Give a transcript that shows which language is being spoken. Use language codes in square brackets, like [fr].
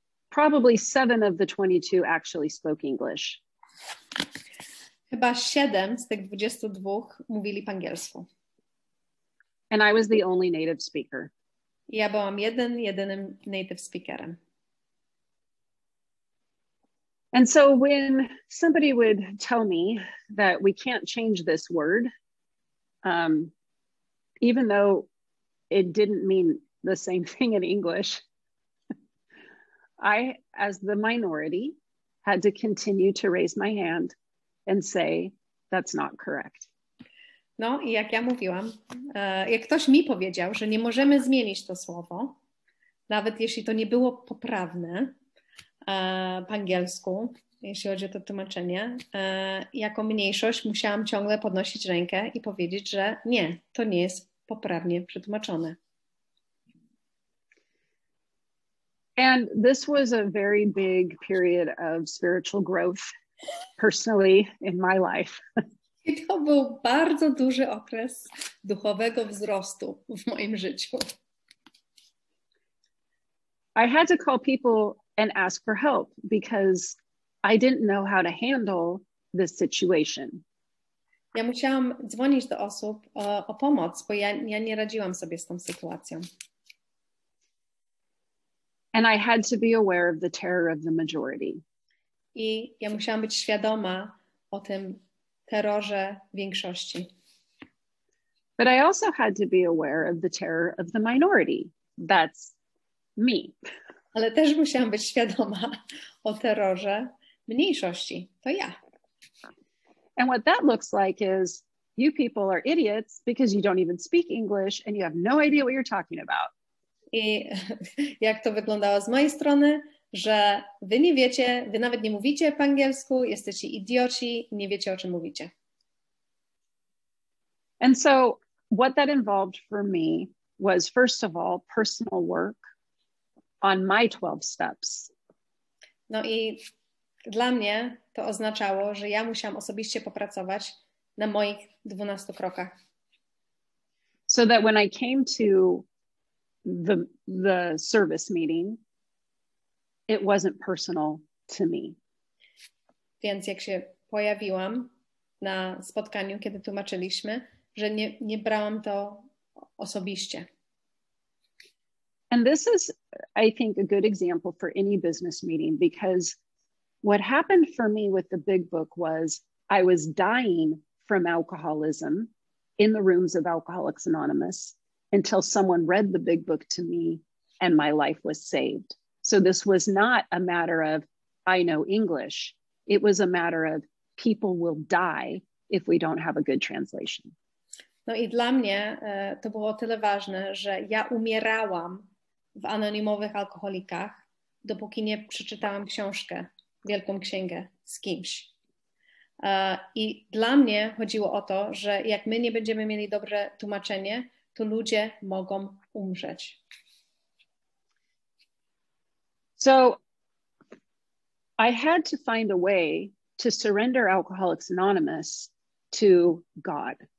[en] Probably 7 of the 22 actually spoke English. [pl] Chyba 7 z tych 22 mówili po angielsku. [en] And I was the only native speaker. [pl] Ja byłam jedynym native speakerem. [en] And so when somebody would tell me that we can't change this word, even though it didn't mean the same thing in English, I, as the minority, had to continue to raise my hand and say, that's not correct. [pl] No i jak ja mówiłam, jak ktoś mi powiedział, że nie możemy zmienić to słowo, nawet jeśli to nie było poprawne po angielsku, jeśli chodzi o to tłumaczenie, jako mniejszość musiałam ciągle podnosić rękę i powiedzieć, że nie, to nie jest poprawnie przetłumaczone. [en] And this was a very big period of spiritual growth personally in my life. [pl] I to był bardzo duży okres duchowego wzrostu w moim życiu. [en] I had to call people and ask for help because I didn't know how to handle the situation. [pl] Ja musiałam dzwonić do osób o pomoc, bo ja nie radziłam sobie z tą sytuacją. [en] And I had to be aware of the terror of the majority. [pl] I ja musiałam być świadoma o tym terrorze większości. [en] But I also had to be aware of the terror of the minority. That's me. [pl] Ale też musiałam być świadoma o terrorze mniejszości. To ja. [en] And what that looks like is you people are idiots because you don't even speak English and you have no idea what you're talking about. [pl] I jak to wyglądało z mojej strony, że wy nie wiecie, wy nawet nie mówicie po angielsku, jesteście idioci, nie wiecie, o czym mówicie. [en] And so what that involved for me was first of all personal work on my 12 steps. [pl] No i dla mnie to oznaczało, że ja musiałam osobiście popracować na moich 12 krokach. [en] So that when I came to the service meeting, it wasn't personal to me. [pl] Więc jak się pojawiłam na spotkaniu, kiedy tłumaczyliśmy, że nie brałam to osobiście. [en] And this is, I think, a good example for any business meeting, because what happened for me with the Big Book was I was dying from alcoholism in the rooms of Alcoholics Anonymous until someone read the Big Book to me and my life was saved. So this was not a matter of I know English. It was a matter of people will die if we don't have a good translation. [pl] No i dla mnie to było tyle ważne, że ja umierałam w anonimowych alkoholikach, dopóki nie przeczytałam książkę, wielką księgę z kimś. I dla mnie chodziło o to, że jak my nie będziemy mieli dobre tłumaczenie, to ludzie mogą umrzeć. [en] So I had to find a way to surrender Alcoholics Anonymous to God.